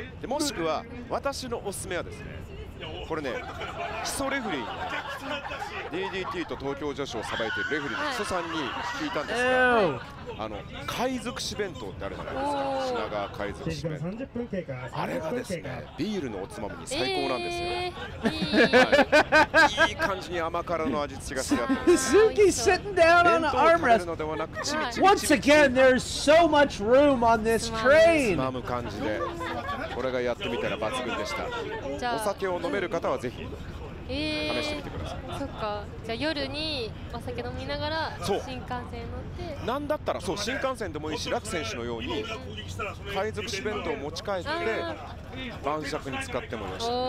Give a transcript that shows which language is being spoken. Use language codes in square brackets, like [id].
[ja] でもしくは私のおすすめはですね。これね、基礎レフリー、DDT と東京女子をさばいているレフリーの基礎さんに聞いたんですが、あの海賊紙弁当ってあるじゃないですか、品川海賊紙弁当、あれがですね、ビールのおつまみに最高なんですよ、はい、いい感じに甘辛の味付けがしてあって、 [en] 鈴木 sitting down on an armrest。 Once again, there's so much room on this train。 [ja] つまむ感じで、これがやってみたら抜群でした。お酒を飲める方はぜひ試してみてください。そっか、じゃあ夜にお酒飲みながら新幹線乗って。なんだったらそう新幹線でもいいし、ラク選手のように海賊紙弁当を持ち帰って晩酌に使ってもよし。